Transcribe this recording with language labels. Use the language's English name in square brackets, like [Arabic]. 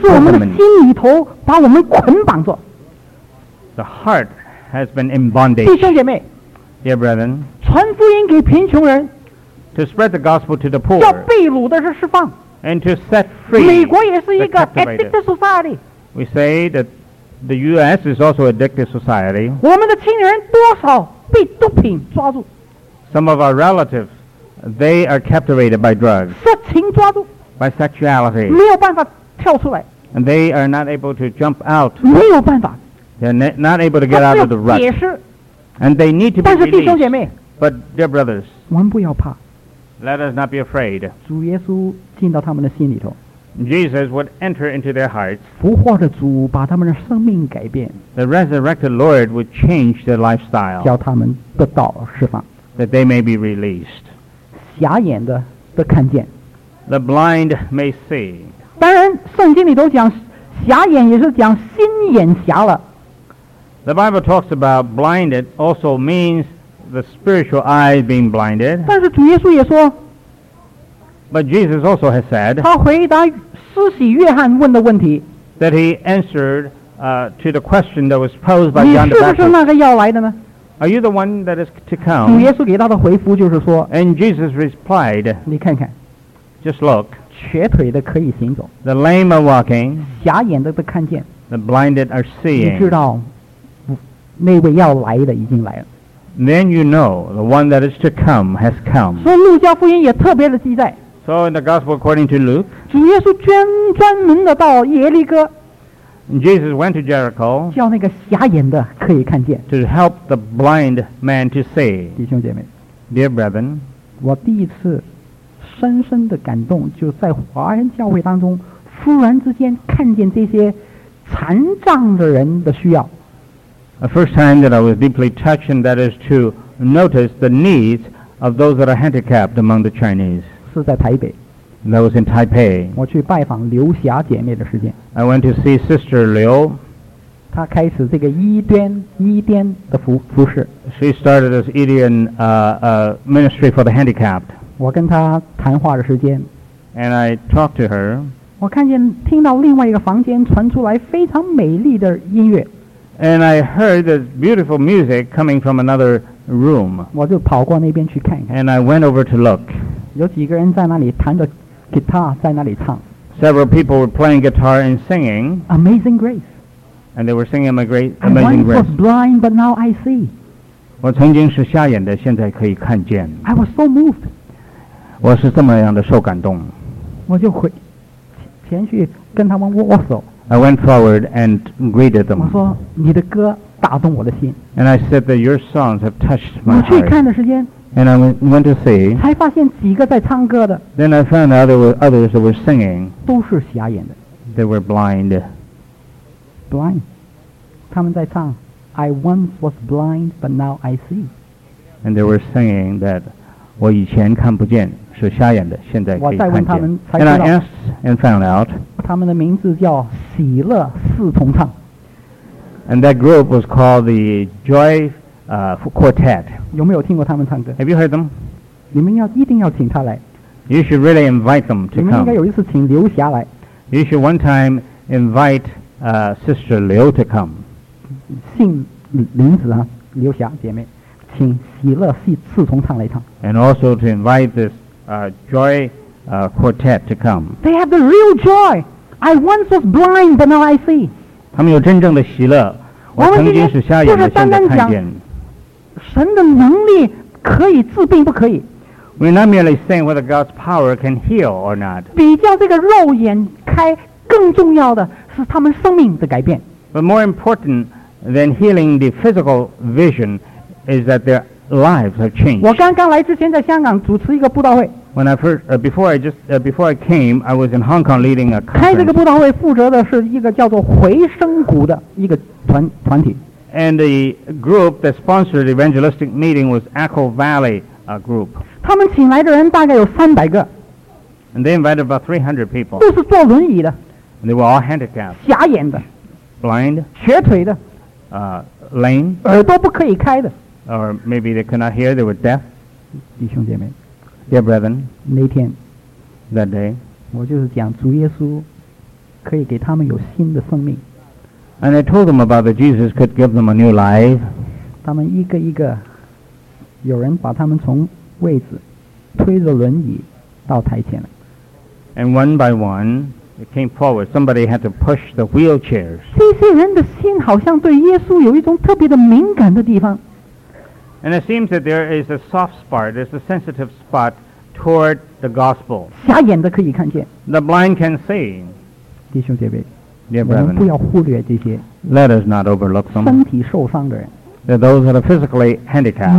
[Chinese] 是我们的心里头把我们捆绑着 [English] The heart has been in bondage. [Chinese] 弟兄姐妹 [English] Dear brethren, [Chinese] 传福音给贫穷人 [English] To spread the gospel to the poor. [Chinese] 叫被掳的是释放 [English] And to set free. [Chinese] 美国也是一个 [English] addicted society. We say that the U.S. is also addicted society. [Chinese] 我们的亲人多少被毒品抓住 [English] Some of our relatives. They are captivated by drugs. [Chinese] 色情抓住 [English] By sexuality. [Chinese] 没有办法跳出来 [English] And they are not able to jump out. [Chinese] 没有办法 [English] They're not able to get out of the rut. [Chinese] 解释 [English] And they need to be released. [Chinese] 但是弟兄姐妹 [English] But dear brothers. [Chinese] 我们不要怕 [English] Let us not be afraid. [Chinese] 主耶稣进到他们的心里头 [English] Jesus would enter into their hearts. [Chinese] 复活的主把他们的生命改变 [English] The resurrected Lord would change their lifestyle. [Chinese] 叫他们得到释放 [English] That they may be released. [Chinese] 瞎眼的都看见 [English] The blind may see [Chinese] 当然圣经里都讲瞎眼也是讲心眼瞎了 [English] The Bible talks about blinded also means the spiritual eye being blinded [Chinese] 但是主耶稣也说 [English] But Jesus also has said [Chinese] 他回答施洗约翰问的问题 [English] That he answered to the question that was posed by John the Baptist [Chinese] 你是不是那个要来的呢 [English] Are you the one that is to come? [Chinese] 主耶稣给他的回复就是说 [English] And Jesus replied [Chinese] 你看看 [English] Just look [Chinese] 瘸腿的可以行走 [English] The lame are walking [Chinese] 瞎眼的都看见 [English] The blinded are seeing [Chinese] 你知道那位要来的已经来了 [English] Then you know the one that is to come has come [Chinese] 所以路加福音也特别的记载 [English] So in the Gospel according to Luke, [Chinese] 主耶稣专门的到耶利哥。 [English] Jesus went to Jericho, [Chinese] 叫那个瞎眼的可以看见。 [English] To help the blind man to see. [Chinese] 弟兄姐妹， [English] Dear brethren, [Chinese] 我第一次深深的感动，就在华人教会当中，忽然之间看见这些残障的人的需要。 [English] The first time that I was deeply touched, and that is to notice the needs of those that are handicapped among the Chinese. [Chinese] 是在台北。 [English] That was in Taipei. [Chinese] 我去拜访刘霞姐妹的时间。 [English] I went to see Sister Liu. [Chinese] 她开始这个医癫的服事。 [English] She started this Edian ministry for the handicapped. [Chinese] 我跟她谈话的时间。 [English] And I talked to her. [Chinese] 我听到另外一个房间传出来非常美丽的音乐。 [English] And I heard this beautiful music coming from another room. [Chinese] 我就跑过那边去看一看。 [English] And I went over to look. [Chinese] 有几个人在那里弹着吉他在那里唱。 [English] Several people were playing guitar and singing. Amazing Grace. And they were singing Amazing Grace. I once was blind, but now I see. [Chinese] 我曾经是瞎眼的，现在可以看见。 [English] I was so moved. [Chinese] 我是这么样的受感动。我就回前去跟他们握手。 [English] I went forward and greeted them. [Chinese] 我说你的歌打动我的心。 [English] And I said that your songs have touched my heart. [Chinese] 我去看的时间。 [English] And I went to see. [Chinese] 才发现几个在唱歌的。 [English] Then I found out there were others that were singing. [Chinese] 都是瞎眼的。 [English] They were blind. Blind. [Chinese] 他们在唱 [English] I once was blind, but now I see. And they were singing that [Chinese] 我以前看不见，是瞎眼的，现在可以看见。我再问他们才知道。 [English] And I asked and found out. [Chinese] 他们的名字叫喜乐四重唱。 [English] And that group was called the Joy Quartet. [Chinese] 有没有听过他们唱歌？ [English] Have you heard them? [Chinese] 你们要一定要请他来。 [English] You should really invite them to come. [Chinese] 你们应该有一次请刘霞来。 [English] You should one time invite Sister Liu to come. [Chinese] 姓林子啊，刘霞姐妹，请喜乐四重唱来唱。 [English] And also to invite this Joy Quartet to come. They have the real joy. I once was blind, but now I see. [Chinese] 他们有真正的喜乐。我曾经是瞎眼的，现在看见。神的能力可以治病不可以。 [English] We're not merely saying whether God's power can heal or not. [Chinese] 比较这个肉眼开更重要的是他们生命的改变。 [English] But more important than healing the physical vision is that their lives have changed. [Chinese] 我刚刚来之前在香港主持一个布道会。 [English] When I first, before I came, I was in Hong Kong leading a conference. [Chinese] 开这个布道会负责的是一个叫做回声谷的一个团体。 [English] And the group that sponsored the evangelistic meeting was Echo Valley group. [Chinese] 他们请来的人大概有300个。 [English] And they invited about 300 people. [Chinese] 都是坐轮椅的。 [English] And they were all handicapped. [Chinese] 瞎眼的。 [English] Blind. [Chinese] 瘸腿的。 [English] Lame. [Chinese] 耳朵不可以开的。 [English] Or maybe they could not hear, they were deaf. [Chinese] 弟兄姐妹。 [English] Dear brethren. [Chinese] 那天。 [English] That day. [Chinese] 我就是讲主耶稣可以给他们有新的生命。 [English] And I told them about that Jesus could give them a new life. [Chinese] 他们一个一个，有人把他们从位置推着轮椅到台前来。 [English] And one by one, it came forward. Somebody had to push the wheelchairs. [Chinese] 这些人的心好像对耶稣有一种特别的敏感的地方。 [English] And it seems that there is a soft spot, there's a sensitive spot toward the gospel. [Chinese] 瞎眼的可以看见。 [English] The blind can see. [Chinese] 弟兄姐妹。 [English] Dear brethren, [Chinese] 我们不要忽略这些 [English] Let us not overlook them. [Chinese] 身体受伤的人 [English] that those that are physically handicapped.